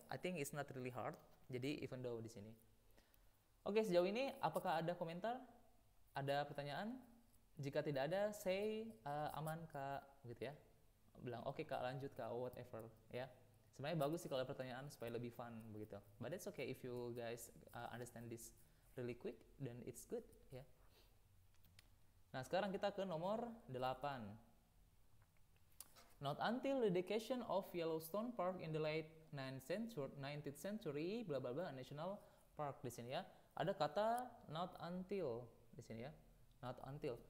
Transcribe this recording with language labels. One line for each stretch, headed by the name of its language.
English: I think it's not really hard.
Indonesian: Jadi even though di sini. Oke, sejauh ini apakah ada komentar? Ada pertanyaan? Jika tidak ada, say aman Kak, gitu ya. Bilang oke okay, Kak, lanjut Kak, whatever, ya. Sebenarnya bagus sih kalau ada pertanyaan supaya lebih fun begitu.
English: But it's okay if you guys understand this really quick, then it's good, ya.
Indonesian: Nah, sekarang kita ke nomor 8.
English: Not until the dedication of Yellowstone Park in the late 19th century, bla bla bla, national park
Indonesian: di sini ya. Ada kata not until di sini ya. Not until.